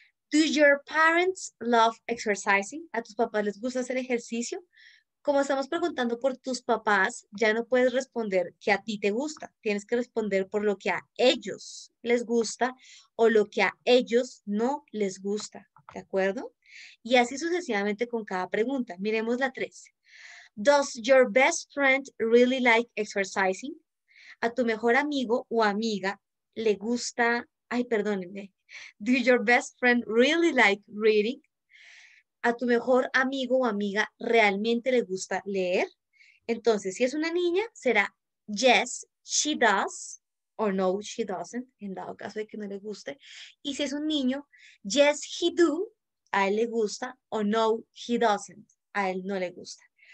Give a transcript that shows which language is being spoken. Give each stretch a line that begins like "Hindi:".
English: Do your parents love exercising?
Spanish: ¿A tus papás les gusta hacer ejercicio? Como estamos preguntando por tus papás, ya no puedes responder que a ti te gusta. Tienes que responder por lo que a ellos les gusta o lo que a ellos no les gusta. ¿De acuerdo? Y así sucesivamente con cada pregunta. Miremos la 3.
English: Does your best friend really like exercising?
Spanish: ¿A tu mejor amigo o amiga le gusta? Ay, perdónenme.
English: Do your best friend really like reading?
Spanish: ¿A tu mejor amigo o amiga realmente le gusta leer? Entonces, si es una niña, será
English: yes, she does,
Spanish: o no,
English: she doesn't,
Spanish: en dado caso de que no le guste. Y si es un niño,
English: yes, he do,
Spanish: a él le gusta, o no,
English: he doesn't,
Spanish: a él no le gusta.